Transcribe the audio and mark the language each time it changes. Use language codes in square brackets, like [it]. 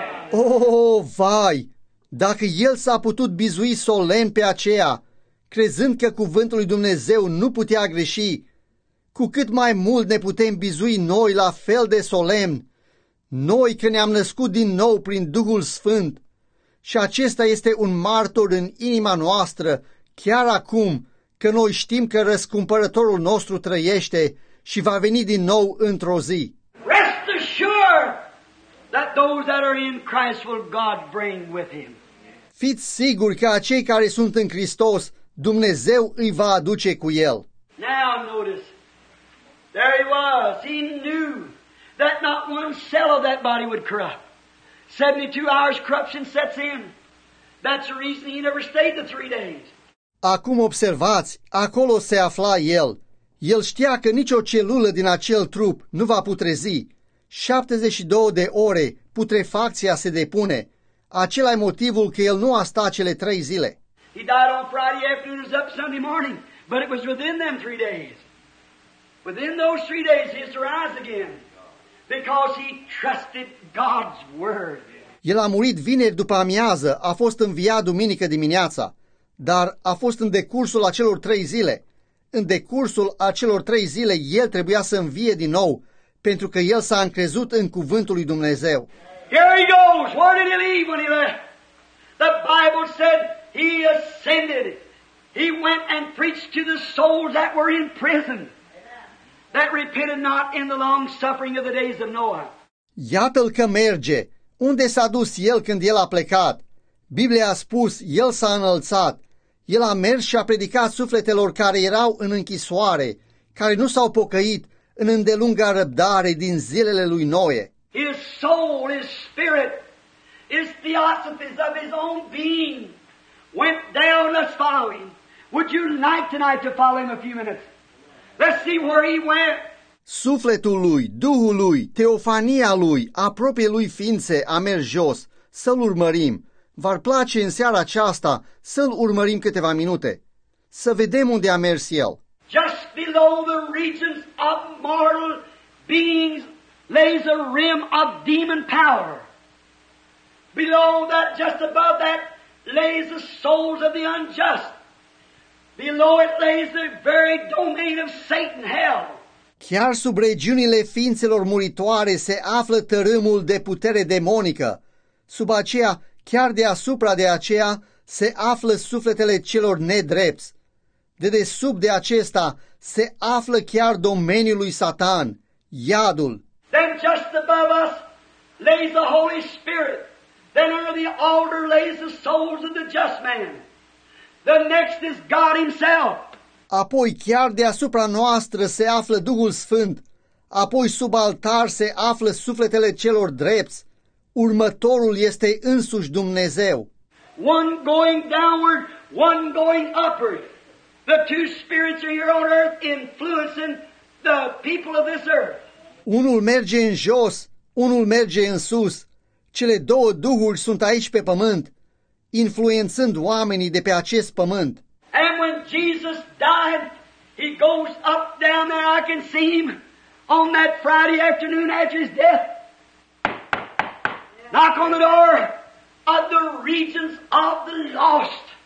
[ro] Oh, vai! Dacă el s-a putut bizui solemn pe aceea, crezând că cuvântul lui Dumnezeu nu putea greși, cu cât mai mult ne putem bizui noi la fel de solemn, noi că ne-am născut din nou prin Duhul Sfânt, Și acesta este un martor în inima noastră, chiar acum, că noi știm că răscumpărătorul nostru trăiește și va veni din nou într-o zi. [en] Rest assured that those that are in Christ will God bring with him. [ro] Fiți siguri că acei care sunt în Hristos, Dumnezeu îi va aduce cu el. [en] Now notice, there he was, he knew that not one cell of that body would corrupt. 72 hours corruption sets in. That's the reason he never stayed the 3 days. [ro] Acum observați, acolo se afla el. El știa că nicio celulă din acel trup nu va putrezi. 72 de ore putrefacția se depune. Acela e motivul că el nu a stat cele 3 zile. [en] He died on Friday afternoon, it was up Sunday morning, but it was within them 3 days. Within those 3 days he has to rise again. Because he trusted God's word. [ro] El a murit vineri după amiază, a fost înviat duminică dimineața, dar a fost în decursul acelor 3 zile. În decursul acelor 3 zile, el trebuia să învie din nou, pentru că el s-a încrezut în cuvântul lui Dumnezeu. [en] Here he goes. Where did he leave when he left? The Bible said he ascended. He went and preached to the souls that were in prison. That repented not in the long suffering of the days of Noah. [ro] Iată-l că merge. Unde s-a dus el când el a plecat? Biblia a spus, el s-a înălțat. El a mers și a predicat sufletelor care erau în închisoare, care nu s-au pocăit în îndelunga răbdare din zilele lui Noe. [en] His soul, his spirit, his theosophies of his own being went down as following. Would you like tonight to follow him a few minutes? Let's see where he went. [ro] Sufletul lui, duhul lui, teofania lui, apropie lui ființe a mers jos. Să-l urmărim. V-ar place în seara aceasta să-l urmărim câteva minute. Să vedem unde a mers el. [en] Just below the regions of mortal beings lays a rim of demon power. Below that, just above that, lays the souls of the unjust. Below it lays the very domain of Satan, hell. [ro] Chiar sub regiunile ființelor muritoare se află tărâmul de putere demonică. Sub aceea, chiar deasupra de aceea, se află sufletele celor nedrepți. Dedesubt de acesta se află chiar domeniul lui Satan, iadul. [en] Then just above us lays the Holy Spirit. Then under the altar lays the souls of the just man. The next is God himself. [ro] Apoi chiar deasupra noastră se află Duhul Sfânt. Apoi sub altar se află sufletele celor drepți. Următorul este însuși Dumnezeu. [en] One going downward, one going upward. The two spirits are here on earth influencing the people of this earth. [ro] Unul merge în jos, unul merge în sus. Cele două duhuri sunt aici pe pământ, influențând oamenii de pe acest pământ. [en] And when Jesus died, he goes up down there. I can see him on that Friday afternoon after his death. Knock on the door of the regions of the lost.